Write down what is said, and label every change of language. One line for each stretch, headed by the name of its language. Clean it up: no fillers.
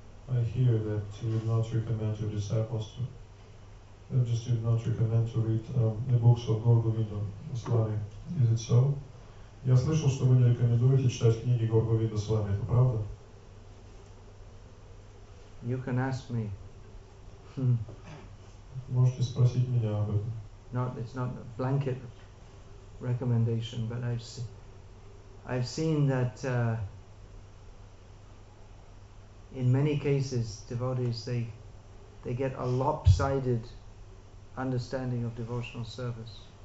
English: I hear that you would not recommend your disciples to, just you would not recommend to read the books of Гор Говинда Свами. Is it so?
Russian: Я слышал, что вы не рекомендуете читать книги Гор Говинда Свами. Это правда?
English: You can ask me.
Russian: Можете спросить меня об этом.
English: Not, it's not a blanket recommendation, but I've seen that in many cases devotees they get a lopsided understanding of devotional service.